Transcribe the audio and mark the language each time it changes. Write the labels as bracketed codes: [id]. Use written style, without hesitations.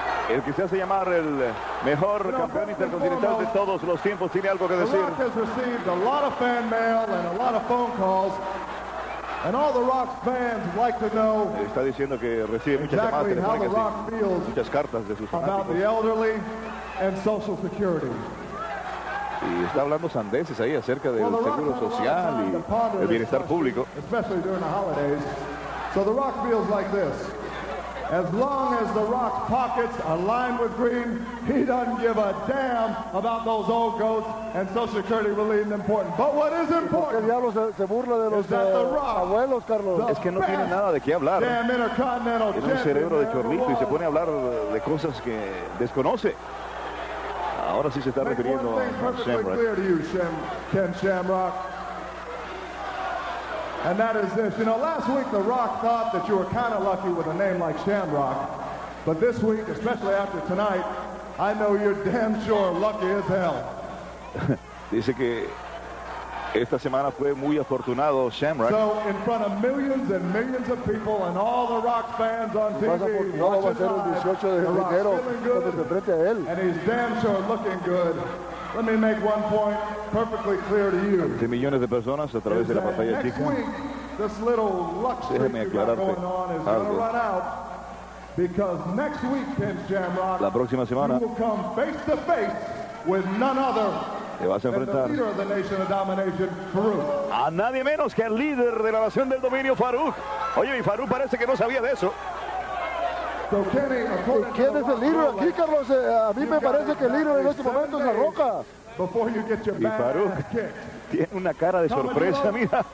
[es] El que se hace llamar el mejor campeón intercontinental de todos los tiempos tiene algo que decir. [en] The Rock has received a lot of fan mail and a lot of phone calls. And all the Rock fans like to know [es] está diciendo que recibe muchas llamadas telefónicas, muchas cartas de sus fanáticos. [en] About the elderly and social security. [es] Y está hablando sandeces ahí acerca del seguro social y el bienestar público. [en] Especially during the holidays. So the Rock feels like this. As long as the Rock's pockets are lined with green, he doesn't give a damn about those old goats and Social Security really isn't important. But what is important? [es] Diablo se burla de los abuelos, Carlos. Es que no tiene nada de qué hablar. Es un cerebro de chorrito y se pone a hablar de cosas que desconoce. Ahora sí se está refiriendo a Shamrock. [en] Clear to you, Ken Shamrock. And that is this. You know, last week The Rock thought that you were kind of lucky with a name like Shamrock. But this week, especially after tonight, I know you're damn sure lucky as hell. [es] Dice que esta semana fue muy afortunado Shamrock. [en] So, in front of millions and millions of people and all The Rock fans on TV, The Rock's feeling good, and he's damn sure looking good. Let me make one point perfectly clear to you. [es] De millones de personas a través de la pantalla chica. [en] This little luck streak going on is going to run out because next week, Ken Shamrock, [es] la próxima semana, [en] you will come face to face with none other than the leader of the Nation of Domination, Farouk. [es] A nadie menos que el líder de la Nación del Dominio, Farouk. Oye, y Farouk parece que no sabía de eso. [en] So Kenny, [es] ¿quién es el líder aquí, Carlos? A mí me parece que el líder en este momento es La Roca. Y Farouk tiene una cara de sorpresa, mira.